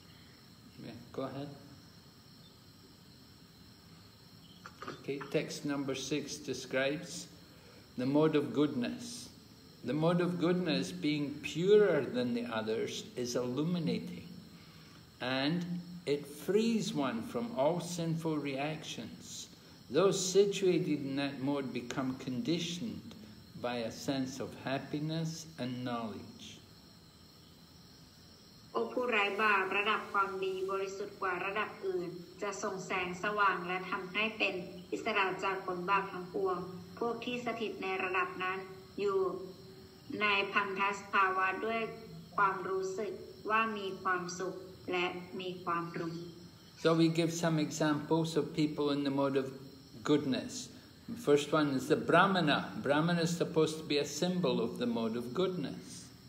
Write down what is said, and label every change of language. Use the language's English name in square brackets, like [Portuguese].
[Thai] เพราะฉะนั้นแล้วเราก็เห็นได้ว่าจากสภาวะแวดล้อมเนี่ยก็จะเหมือนกับบังคับให้เราเนี่ยทำงานไปเหมือนกับคนคุก [English] Okay, text number 6 describes the mode of goodness. The mode of goodness, being purer than the others, is illuminating and it frees one from all sinful reactions. Those situated in that mode become conditioned by a sense of happiness and knowledge. [Thai] O ผู้ไร้บาประดับความดีบริสุทธิ์กว่าระดับอื่นจะส่งแสงสว่างและทำให้เป็นอิสระจากผลบาปทั้งปวงพวกที่สถิตในระดับนั้นอยู่ในพันธสภาวะด้วยความรู้สึกว่ามีความสุขและมีความรู้ [English] So we give some examples of people in the mode of goodness. First one is the Brahmana. Brahmana is supposed to be a symbol of the mode of goodness.